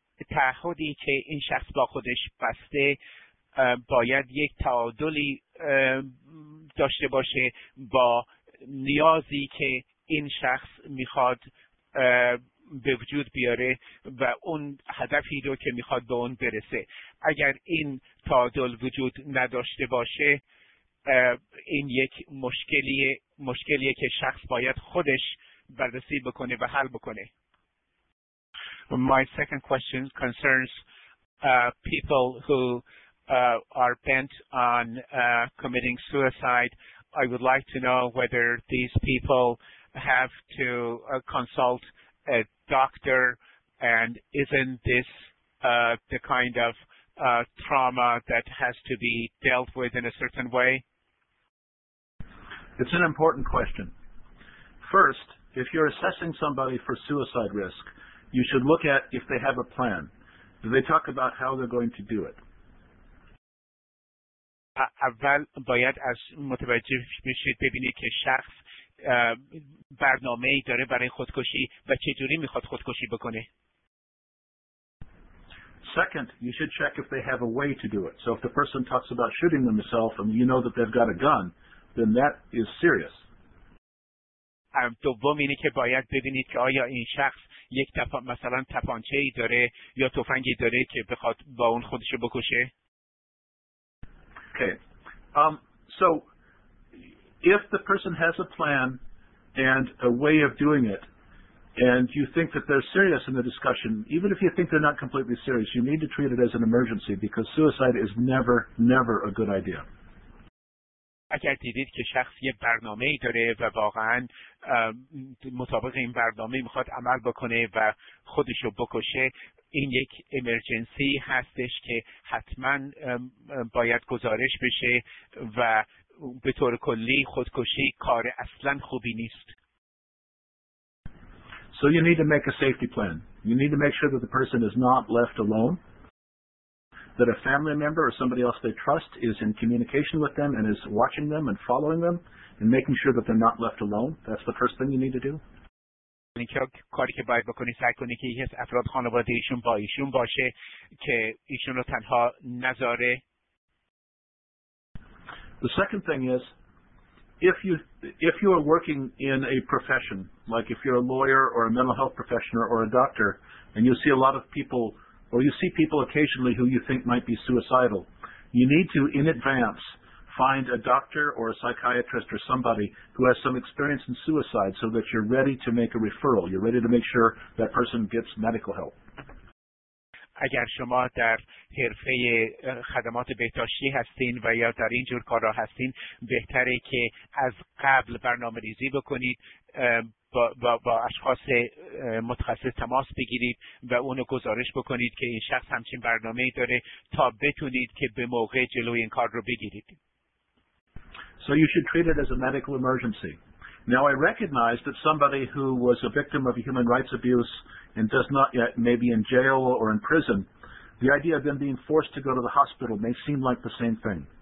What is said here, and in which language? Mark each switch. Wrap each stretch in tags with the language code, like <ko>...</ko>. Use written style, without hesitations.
<fa>تعهدی که این شخص با خودش بسته باید یک تعادلی داشته باشه با نیازی که این شخص میخواد به وجود بیاره و اون هدفی رو که میخواد به اون برسه. اگر این تعادل وجود نداشته باشه این یک مشکلیه که شخص باید خودش بررسی بکنه و حل بکنه.</fa> <en>My second question concerns people who are bent on committing suicide. I would like to know whether these people have to consult a doctor, and isn't this the kind of trauma that has to be dealt with in a certain way? It's an important question. First, if you're assessing somebody for suicide risk, you should look at if they have a plan. Do they talk about how they're going to do it?</en> <fa>اول باید از متوجه بشید ببینید که شخص برنامه‌ای داره برای خودکشی و چجوری میخواد خودکشی بکنه.</fa> <en>Second, you should check if they have a way to do it. So if the person talks about shooting themselves and you know that they've got a gun, then that is serious.</en> <fa>دوم اینه که باید ببینید که آیا این شخص یک دفعه مثلا تپانچه ای داره یا تفنگی داره که بخواد با اون خودشو بکشه.</fa> <en>Okay. So if the person has a plan and a way of doing it, and you think that they're serious in the discussion, even if you think they're not completely serious, you need to treat it as an emergency because suicide is never, never a good idea.</en> <fa>اگر دیدید که شخص یه برنامه ای داره و واقعا مطابق این برنامه میخواد عمل بکنه و خودشو بکشه، این یک امرجنسی هستش که حتما باید گزارش بشه و به طور کلی خودکشی کار اصلا خوبی نیست.</fa> <en>So you need to make a safety plan. You need to make sure that the person is not left alone, that a family member or somebody else they trust is in communication with them and is watching them and following them and making sure that they're not left alone. That's the first thing you need to do.</en> <fa>این کاری که باید بکنی سعی کنی که یه افراد خانواده ایشون با ایشون باشه که ایشون رو تنها نذاره.</fa> <en>The second thing is, if you are working in a profession, like if you're a lawyer or a mental health professional or a doctor, and you see a lot of people, or you see people occasionally who you think might be suicidal, you need to, in advance, find a doctor or a psychiatrist or somebody who has some experience in suicide so that you're ready to make a referral. You're ready to make sure that person gets medical help.</en> <fa>اگر شما در حرفه خدمات بهداشتی هستین و یا در این جور کارا هستین، بهتره که از قبل برنامه ریزی بکنید، با اشخاص متخصص تماس بگیرید و اونو گزارش بکنید که این شخص همچین برنامه‌ای داره تا بتونید که به موقع جلوی این کار رو بگیرید.</fa> <en>So you should treat it as a medical emergency. Now I recognize that somebody who was a victim of a human rights abuse and does not yet maybe in jail or in prison, the idea of them being forced to go to the hospital may seem like the same thing.</en>